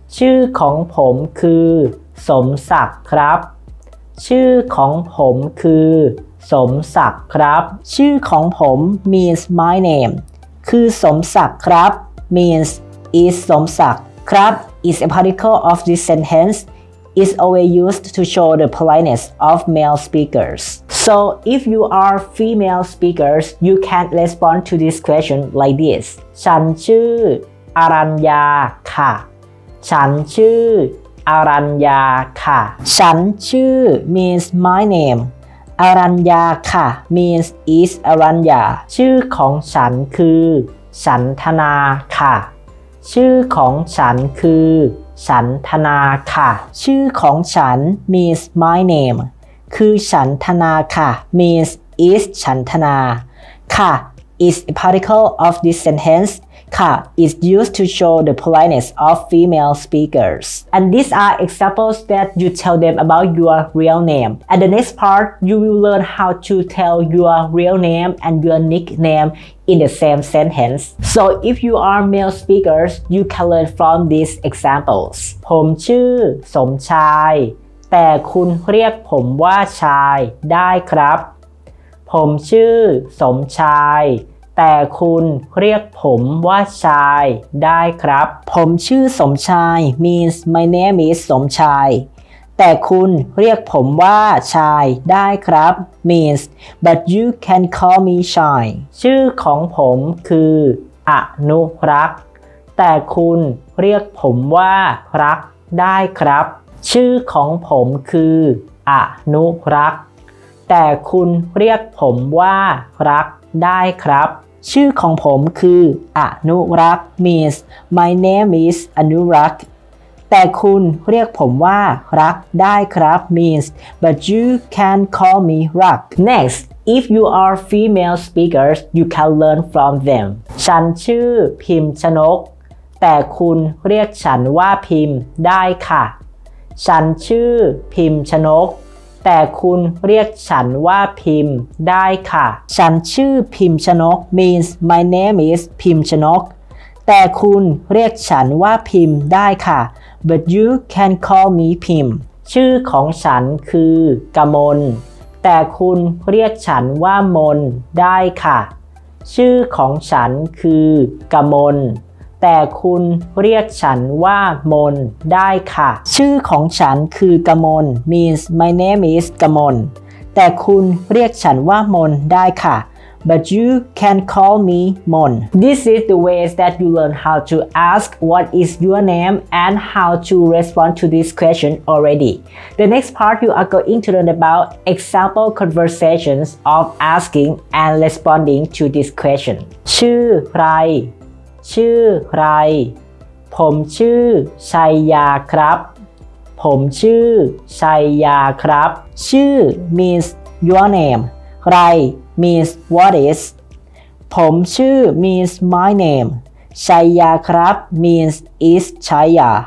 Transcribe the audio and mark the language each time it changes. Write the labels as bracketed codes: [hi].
[th] ชื่อของผมคือสมศักดิ์ครับชื่อของผมคือสมศักดิ์ครับ ชื่อของผม [en] means my name [th] คือสมศักดิ์ครับ [en] means is สมศักดิ์ครับ is a particle of this sentenceis always used to show the politeness of male speakers. So if you are female speakers, you can respond to this question like this. [th] ฉันชื่ออรัญญาค่ะ ฉันชื่ออรัญญาค่ะ ฉันชื่อ [en] means my name. [th] อรัญญาค่ะ [en] means is อรัญญา [th] ชื่อของฉันคือฉันธนาค่ะ ชื่อของฉันคือฉันธนาค่ะ ชื่อของฉัน [en] means my name [th] คือฉันธนาค่ะ [en] means is ฉันธนาค่ะ is a particle of this sentence ค่ะ is used to show the politeness of female speakers and these are examples that you tell them about your real name at the next part you will learn how to tell your real name and your nickname in the same sentence so if you are male speakers you can learn from these examples [th] ผมชื่อสมชายแต่คุณเรียกผมว่าชายได้ครับผมชื่อสมชายแต่คุณเรียกผมว่าชายได้ครับ ผมชื่อสมชาย [en] means my name is [th] สมชายแต่คุณเรียกผมว่าชายได้ครับ [en] means but you can call me [th] ชาย ชื่อของผมคืออนุรักษ์แต่คุณเรียกผมว่ารักได้ครับ ชื่อของผมคืออนุรักษ์แต่คุณเรียกผมว่ารักได้ครับ ชื่อของผมคืออนุรักษ์ [en] means my name is [th] อนุรักษ์ แต่คุณเรียกผมว่ารักได้ครับ [en] means but you can call me Rak. Next, if you are female speakers, you can learn from them. [th] ฉันชื่อพิมพ์ชนกแต่คุณเรียกฉันว่าพิมพ์ได้ค่ะฉันชื่อพิมพ์ชนกแต่คุณเรียกฉันว่าพิมพ์ได้ค่ะ ฉันชื่อพิมพ์ชนก [en] means my name is [th] พิมพ์ชนกแต่คุณเรียกฉันว่าพิมพ์ได้ค่ะ [en] but you can call me [th] พิมพ์ ชื่อของฉันคือกมลแต่คุณเรียกฉันว่ามนได้ค่ะชื่อของฉันคือกมลแต่คุณเรียกฉันว่ามนได้ค่ะ ชื่อของฉันคือกมล [en] means my name is [th] กมลแต่คุณเรียกฉันว่ามนได้ค่ะ [en] but you can call me mon this is the ways that you learn how to ask what is your name and how to respond to this question already the next part you are going to learn about example conversations of asking and responding to this question [th] ชื่อใครชื่อใครผมชื่อชัยยาครับผมชื่อชัยยาครับ [en] ชื่อ means your name ใคร means what is [th] ผมชื่อ [en] means my name [th] ชัยยาครับ [en] means is ชัยยา